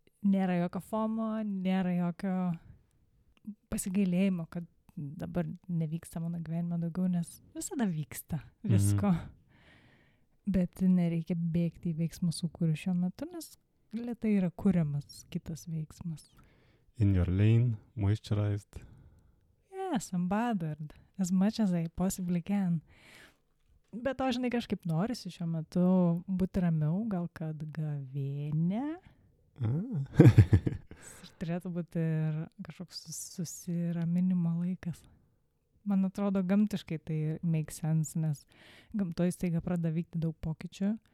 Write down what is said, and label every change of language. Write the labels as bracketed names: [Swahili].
[Lithuanian] Nėra jokio fomo, nėra jokio pasigailėjimo, kad dabar nevyksta mano gyvenime daugiau, nes visada vyksta visko. Bet nereikia bėgti į veiksmą sukūrį šiuo metu, nes lietai yra kuriamas kitas veiksmas. [English] In your lane, moisturized. Yes, I'm bothered as much as I possibly can. [Lithuanian] Bet to, žinai, kažkaip norisi šiuo metu būti ramiau, gal kad gavėnė. Ir turėtų būti ir kažkoks susiraminimo laikas. Man atrodo, gamtiškai tai [English] makes sense, [Lithuanian] nes gamtoj staiga pradeda vykti daug pokyčių.